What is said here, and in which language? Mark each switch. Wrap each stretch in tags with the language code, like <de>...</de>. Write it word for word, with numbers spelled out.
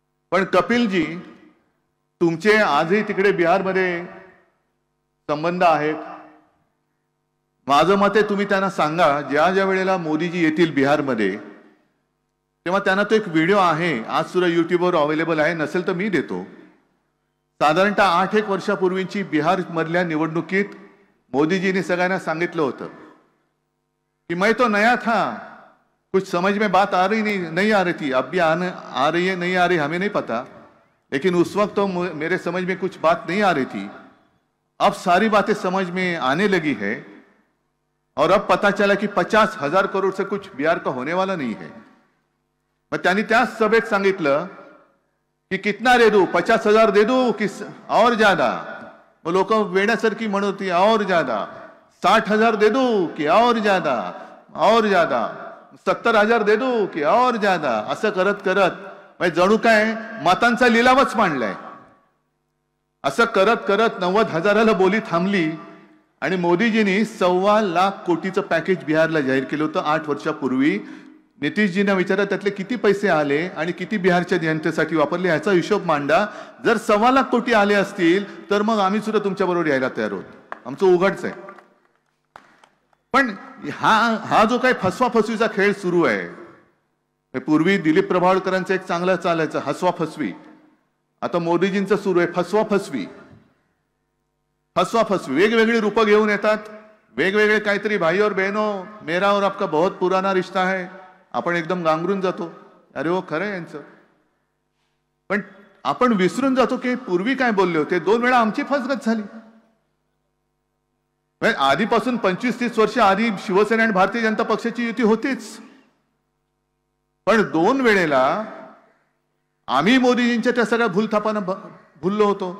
<mr>पण कपिलजी, तुमचे आजही तिकडे बिहारमध्ये संबंध आहेत. माझं मत आहे तुम्ही त्यांना सांगा, ज्या ज्या वेळेला मोदीजी येतील बिहारमध्ये तेव्हा त्यांना तो एक व्हिडिओ आहे, आज सुद्धा युट्यूबवर अवेलेबल आहे, नसेल तर मी देतो. साधारणतः आठ एक वर्षापूर्वीची बिहारमधल्या निवडणुकीत मोदीजींनी सगळ्यांना सांगितलं होतं</mr> <hi>कि मैं तो नया था, कुछ समझ में बात आ रही नहीं नहीं आ रही थी, अब भी आने आ रही है नहीं आ रही हमें नहीं पता, लेकिन उस वक्त तो मेरे समझ में कुछ बात नहीं आ रही थी, अब सारी बातें समझ में आने लगी है और अब पता चला कि पचास हजार करोड़ से कुछ बिहार का होने वाला नहीं है.</hi> <mr>मग त्यांनी त्या सभेत सांगितलं की</mr> <hi>कितना दे दू, पचास हजार दे दू कि और ज्यादा?</hi> <mr>मग लोक वेड्यासारखी म्हणत होती,</mr> <hi>और ज्यादा. साठ हजार दे दू कि और ज्यादा, और ज्यादा. सत्तर हजार दे दू कि और ज्यादा.</hi> <mr>असं करत करत म्हणजे जणू काय मतांचा लिलावच मांडलाय. असं करत करत नव्वद हजाराला बोली थांबली आणि मोदीजींनी सव्वा लाख कोटीचं पॅकेज बिहारला जाहीर केलं होतं आठ वर्षापूर्वी. नितीशजींना विचारा त्यातले किती पैसे आले आणि किती बिहारच्या जनतेसाठी वापरले ह्याचा हिशोब मांडा. जर सव्वा लाख कोटी आले असतील तर मग आम्ही सुद्धा तुमच्याबरोबर यायला तयार होतो, आमचं उघडच आहे. पण हा हा जो काही फसवाफसवीचा खेळ सुरू आहे, पूर्वी दिलीप प्रभावळकरांचा एक चांगला चालायचा हसवा फसवी, आता मोदीजींचं सुरू आहे फसवाफसवी. फसवाफसवी वेगवेगळी रूपं घेऊन येतात, वेगवेगळे काहीतरी.</mr> <hi>भाई और बहनो, मेरा और आपका बहुत पुराना रिश्ता है.</hi> <mr>आपण एकदम गांगरून जातो, अरे हो खरं यांचं. पण आपण विसरून जातो की पूर्वी काय बोलले होते. दोन वेळा आमची फसगत झाली. आधीपासून पंचवीस तीस वर्ष आधी शिवसेना आणि भारतीय जनता पक्षाची युती होतीच, पण दोन वेळेला आम्ही मोदीजींच्या त्या सगळ्या भूलथापांना भुललो होतो.</mr>